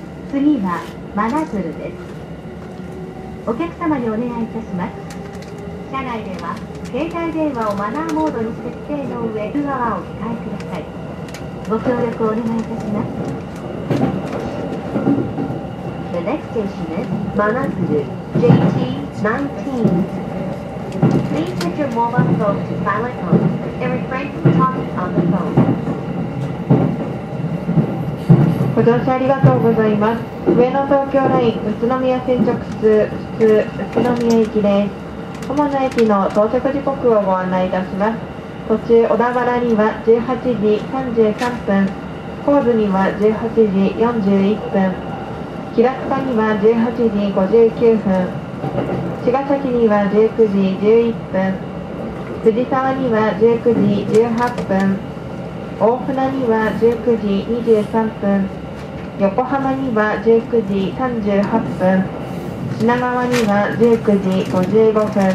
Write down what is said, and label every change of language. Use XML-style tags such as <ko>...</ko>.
<ja>次は真鶴です。お客様にお願いいたします。車内では携帯電話をマナーモードに設定の上、通話をお使いください。ご協力をお願いいたします。</ja> <en>The next station is 真鶴 JT19. Please put your mobile phone to silent mode and refrain from talking on the phone.</en> <ja>ご乗車ありがとうございます。上野東京ライン宇都宮線直通普通宇都宮行きです。主な駅の到着時刻をご案内いたします。途中小田原には18時33分、神津には18時41分、平塚には18時59分、茅ヶ崎には19時11分、藤沢には19時18分、大船には19時23分、横浜には19時38分、品川には19時55分、</ja>